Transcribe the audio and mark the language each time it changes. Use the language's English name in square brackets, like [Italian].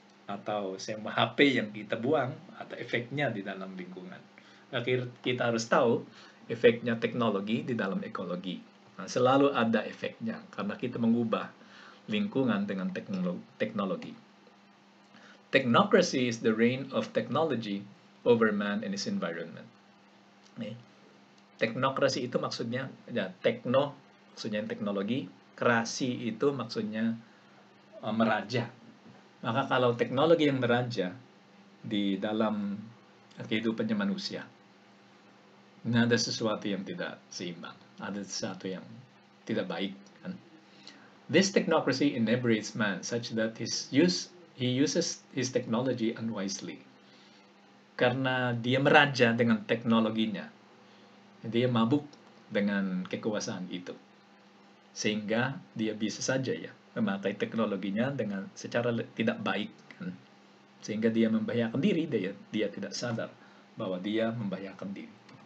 [Indonesian] Atau semua HP yang kita buang ada efeknya di dalam lingkungan. Akhirnya kita harus tahu efeknya teknologi di dalam ekologi. Nah, selalu ada efeknya karena kita mengubah lingkungan dengan teknologi. [English] Technocracy is the reign of technology over man and his environment. [Indonesian] Okay. Teknokrasi itu maksudnya, ya, tekno maksudnya teknologi, krasi itu maksudnya meraja. Maka kalau teknologi yang meraja di dalam kehidupannya manusia, nah ada sesuatu yang tidak seimbang, ada sesuatu yang tidak baik. Kan? [English] This technocracy inebriates man such that he uses his technology unwisely. [Indonesian] Karena dia meraja dengan teknologinya. Dia mabuk dengan kekuasaan itu. Sehingga dia bisa saja ya memakai teknologinya dengan secara tidak baik. Kan? Sehingga dia membahayakan diri, dia tidak sadar bahwa dia membahayakan diri.